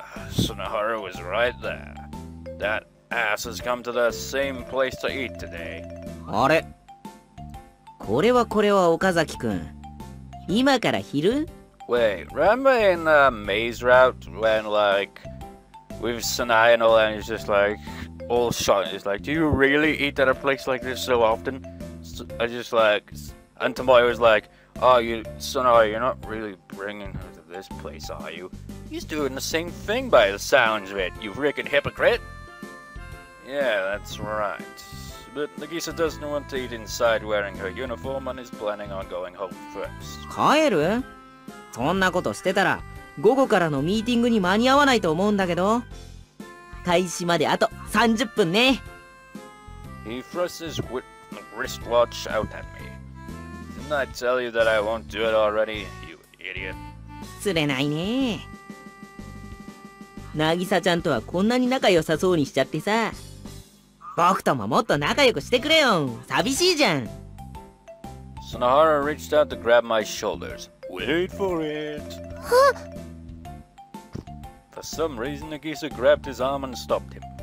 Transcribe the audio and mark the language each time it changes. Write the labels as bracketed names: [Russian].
[English] Sonohara was right there. That ass has come to the same place to eat today. [Japanese] あれ? これはこれは岡崎くん。今から昼? [English] Wait, remember in the maze route when, like, with Sanae and all that, and he's just like, all shocked. He's like, do you really eat at a place like this so often? So, I just like, and Tomoyo was like, oh, you, Sanae, you're not really bringing her to this place, are you? He's doing the same thing by the sounds of it, you freaking hypocrite. Yeah, that's right. But Nagisa doesn't want to eat inside wearing her uniform and is planning on going home first. [Japanese] 帰る? そんなことしてたら午後からのミーティングに間に合わないと思うんだけど。開始まであと30分ね。 [English] He thrusts his wristwatch out at me. Didn't I tell you that I won't do it already, you idiot? [Japanese] 釣れないね。渚ちゃんとはこんなに仲良さそうにしちゃってさ。僕とももっと仲良くしてくれよ。寂しいじゃん。 [English] Sunahara reached out to grab my shoulders. Wait for it! For some reason, Nagisa grabbed his arm and stopped him.